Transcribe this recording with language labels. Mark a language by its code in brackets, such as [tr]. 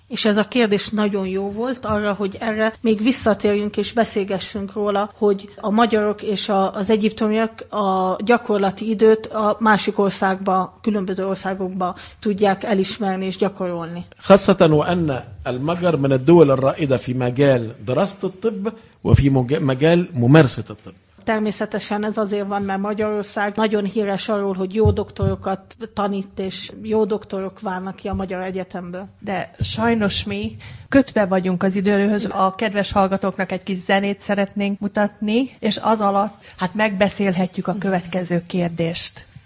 [hu] És ez a kérdés nagyon jó volt arra, hogy erre még visszatérjünk és beszélgessünk róla, hogy a magyarok és az egyiptomiak a gyakorlati időt a másik országba, különböző országokba tudják elismerni és gyakorolni. [ar] خاصة وأن المجر من الدول الرائدة في مجال دراسة الطب وفي مجال ممارسة الطب. [hu] Természetesen ez azért van, mert Magyarország nagyon híres arról, hogy jó doktorokat tanít, és jó doktorok válnak ki a magyar egyetemből. De sajnos mi kötve vagyunk az időhöz. A kedves hallgatóknak egy kis zenét szeretnénk mutatni, és az alatt hát megbeszélhetjük a következő kérdést.